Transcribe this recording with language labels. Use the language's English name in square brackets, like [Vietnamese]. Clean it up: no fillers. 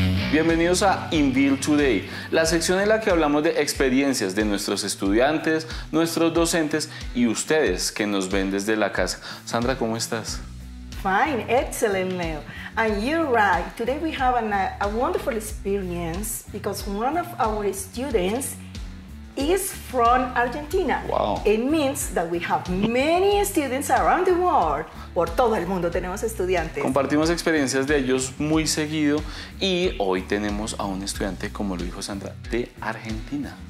[Spanish] Bienvenidos a Inbuilt Today, la sección en la que hablamos de experiencias de nuestros estudiantes, nuestros docentes y ustedes que nos ven desde la casa. Sandra, ¿cómo estás? [English] Fine, excellent, Leo. And you're right. Today we have a wonderful experience because one of our students is from Argentina. Wow. It means that we have many students around the world. [Spanish] Por todo el mundo tenemos estudiantes. Compartimos experiencias de ellos muy seguido y hoy tenemos a un estudiante, como lo dijo Sandra, de Argentina.